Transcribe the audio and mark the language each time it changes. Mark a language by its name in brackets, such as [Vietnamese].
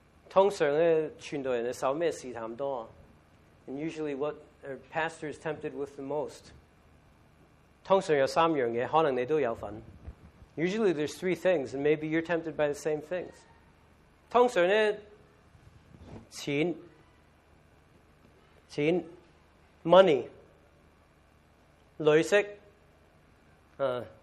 [Cantonese] 通常咧，传道人受咩试探多 [English] ？And usually, what are pastors tempted with the most? [Cantonese] 通常有三样嘢，可能你都有份。 [English] Usually, there's three things, and maybe you're tempted by the same things. [Cantonese] 通常咧，钱 ，money， 女色，